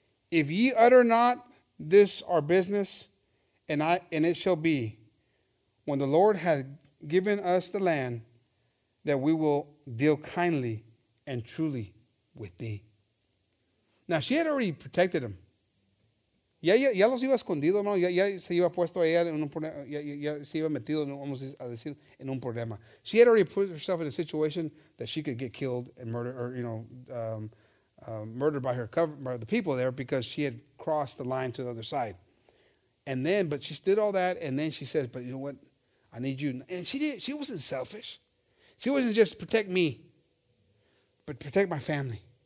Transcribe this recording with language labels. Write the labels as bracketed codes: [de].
[en] If ye utter not this our business, and it shall be, when the Lord hath given us the land, that we will deal kindly and truly with thee. Now, she had already protected him. [es] Ya los iba escondido, hermano. Ya se iba puesto ahí en un problema. Ya se iba metido, vamos a decir, en un problema. [en] She had already put herself in a situation that she could get killed and murdered, or, you know, murdered by her cover, by the people there, because she had crossed the line to the other side. And then, but she did all that, and then she says, but you know what? I need you. And she wasn't selfish. She wasn't just protect me, but protect my family.